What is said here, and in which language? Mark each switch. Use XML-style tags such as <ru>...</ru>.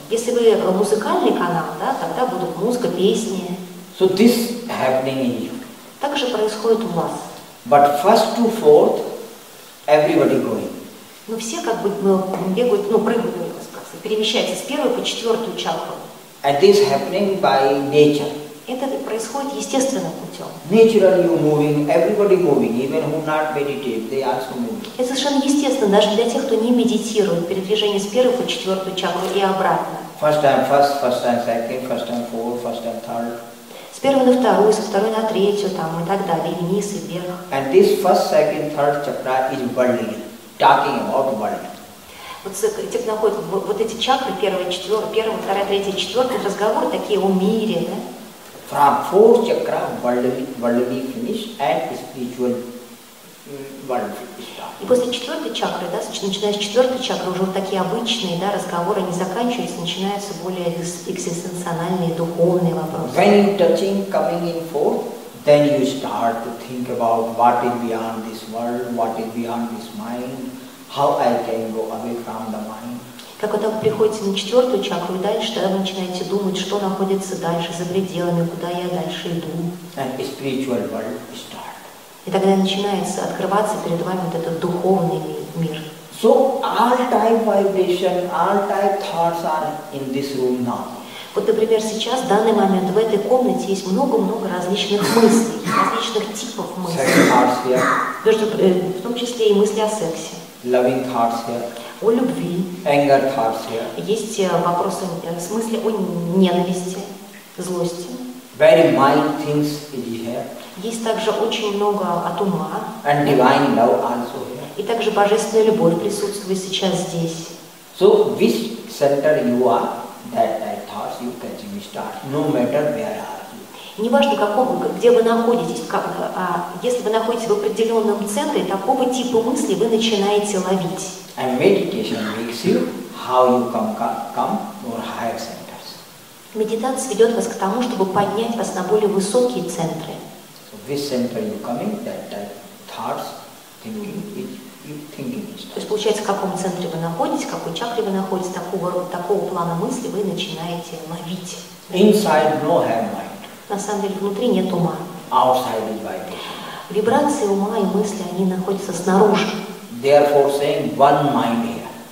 <ru>Если вы музыкальный канал, да, тогда будут музыка, песни.</ru> <en>So this happening in you.</en> <ru>Так же происходит у вас.</ru> <en>But first to fourth, everybody going.</en> <ru>Ну все как бы бегают, прыгают, так сказать, перемещаются с первой по четвертую чакру.</ru> <en>And this happening by nature.</en> <ru>Это происходит естественным путем.</ru> <en>Naturally you moving, everybody moving, even who not meditate, they also moving.</en> <ru>Это совершенно естественно, даже для тех, кто не медитирует, передвижение с первой по четвертую чакру и обратно.</ru> <en>First time first, first time second, first time fourth, first time third.</en> <ru>С первой на вторую, со второй на третью, там и так далее, и вниз, и вверх.</ru> <en>And this first, second, third chakra is worldly, talking about worldly.</en> <ru>Вот те, кто находит вот эти чакры, первая, вторая, третья, четвертая, разговор такие о мире, да?</ru> <en>From fourth chakra, worldly finish and spiritual worldly start.</en> <ru>И после четвертой чакры, да, начиная с четвертой чакры, уже вот такие обычные, да, разговоры не заканчиваются, начинаются более экзистенциональные, духовные вопросы.</ru> <en>When you touching, coming in fourth, then you start to think about what is beyond this world, what is beyond this mind, how I can go away from the mind.</en> <ru>Как когда вы приходите на четвертую чакру и дальше, тогда вы начинаете думать, что находится дальше, за пределами, куда я дальше иду.</ru> <en>And spiritual world start.</en> <ru>И тогда начинается открываться перед вами вот этот духовный мир.</ru> <en>So all type vibration, all type thoughts are in this room now.</en> <ru>Вот, например, сейчас, в данный момент, в этой комнате есть много-много различных мыслей, различных типов мыслей. В том числе и мысли о сексе.</ru> <en>Loving thoughts here.</en> <ru>О любви.</ru> <en>Anger thoughts here.</en> <ru>Есть вопросы в смысле о ненависти, злости.</ru> <en>Very mild things here.</en> <ru>Есть также очень много от ума.</ru> <en>And divine love also here.</en> <ru>И также божественная любовь присутствует сейчас здесь.</ru> <en>So which center you are, that thoughts you can start, no matter where are.</en> <ru>Неважно, каком, где вы находитесь, как, если вы находитесь в определенном центре, такого типа мысли вы начинаете ловить.</ru> <en>And meditation makes you how you come more higher centers.</en> <ru>Медитация ведет вас к тому, чтобы поднять вас на более высокие центры.</ru> <en>So which center you coming, that thoughts, thinking, you thinking.</en> <ru>То есть получается, в каком центре вы находитесь, в какой чакре вы находитесь, такого плана мысли вы начинаете ловить.</ru> <en>Inside no have mind.</en> <ru>На самом деле внутри нет ума.</ru> <en>Outside is vibration.</en> <ru>Вибрации ума и мысли, они находятся снаружи.</ru> <en>Therefore saying one mind here.</en>